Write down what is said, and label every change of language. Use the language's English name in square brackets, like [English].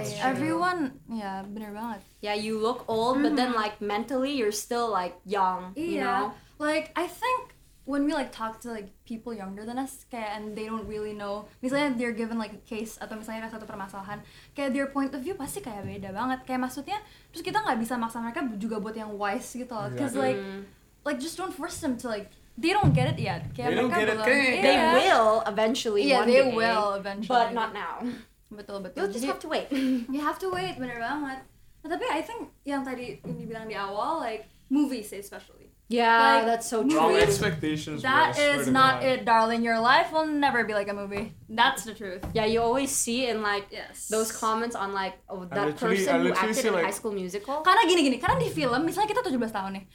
[English] Everyone, [Indonesian] bener banget. [English] Yeah, you look old, but then like mentally you're still like young. You know? Like I think when we like talk to like people younger than us, kayak, and they don't really know, misalnya they're given like a case [Indonesian] atau misalnya satu permasalahan, [English] kayak their point of view [Indonesian] pasti kayak beda banget. Kayak maksudnya, terus kita nggak bisa maksa mereka juga buat yang wise gitu. [English] Because like just don't force them to like. They don't get it yet. They will eventually. Yeah, one they day, will eventually. But not now. [Indonesian] Betul. [English] You'll just have to wait. You have to wait. [Indonesian] Bener banget. [English] But tapi I think [Indonesian] yang tadi yang dibilang di awal, [English] like movies especially. Yeah, like, that's so true. Wrong expectations. That bro, is not it, darling. Your life will never be like a movie. That's the truth. Yeah, you always see in like those comments on like that person who acted in like, High School Musical. [Indonesian] Karena gini, karena di film misalnya kita 17 tahun nih.